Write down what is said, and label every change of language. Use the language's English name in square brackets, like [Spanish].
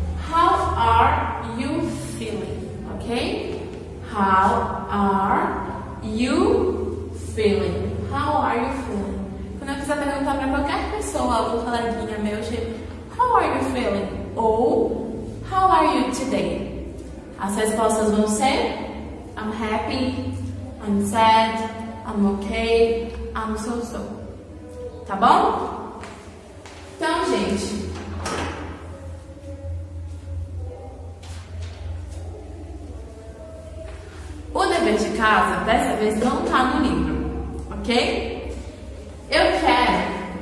[English] How are you feeling? Ok? How are you feeling? How are you feeling? [Portuguese] Quando eu quiser perguntar para qualquer pessoa, algum coleguinha meu, tipo, [English] how are you feeling? Ou, how are you today? [Portuguese] As respostas vão ser, [English] I'm happy, I'm sad, I'm okay, I'm so. [Portuguese] Tá bom? Então, gente, de casa, dessa vez não tá no livro, ok? Eu quero.